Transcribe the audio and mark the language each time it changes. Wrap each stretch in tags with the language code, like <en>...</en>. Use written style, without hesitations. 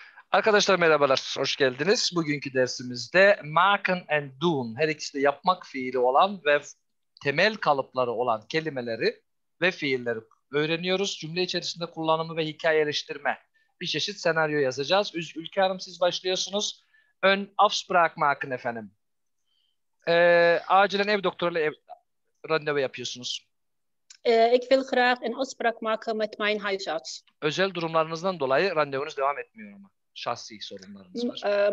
<tr>Arkadaşlar merhabalar, hoş geldiniz. Bugünkü dersimizde makan and doon, her ikisi de yapmak fiili olan ve temel kalıpları olan kelimeleri ve fiilleri öğreniyoruz. Cümle içerisinde kullanımı ve hikayeleştirme, bir çeşit senaryo yazacağız. Ülker Hanım siz başlıyorsunuz. Ön afs bırakmakın efendim. Acilen ev doktoruyla randevu yapıyorsunuz.</tr> <nl>Ik wil graag een afspraak maken met mijn huisarts.</nl> <tr>Özel durumlarınızdan dolayı randevunuz devam etmiyor ama. Şahsi sorunlarınız var.</tr>